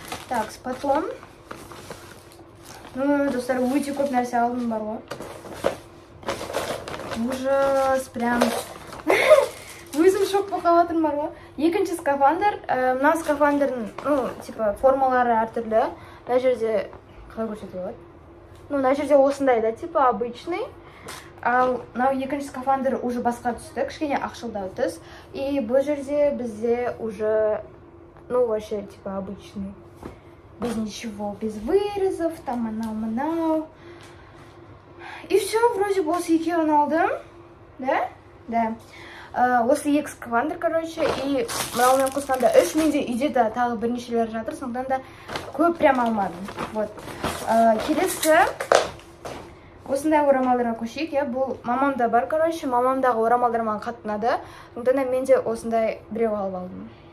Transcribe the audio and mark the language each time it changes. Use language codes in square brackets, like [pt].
[ru] Так, потом, [kk] ну достар, өте көп нәрсе алдым бар ғой. Ужас, прям өзім шо шок болып қалатын бар ғой. Екінші скафандр, мына скафандрдың, ну, типа, формалары әртүрлі. Мына жерде қалай көрсетуге болады? Ну, мына жерде осындай да, [ru] типа, обычный. [kk] Ал мынау екінші скафандр уже басқа түсті, кішкене ақшылдау түс. И бұл жерде бізде уже, [ru] ну, вообще, типа, обычный. Без ничего, без вырезов, там анау-манау. И все, вроде бы, [kk] осы екеуін алдым. [ru] Да? Да. [kk] Осы екі скафандр, короче, и мынаумен қосқанда үш, менде үйде да тағы бірнешелер жатыр, сондықтан да көп прям алмадым. Вот. Келесі осындай орамалдарға көшейік, иә. Бұл мамамда бар, короче, мамамдағы орамалдар маған қатты ұнады, сондықтан да мен де осындай біреу алып алдым.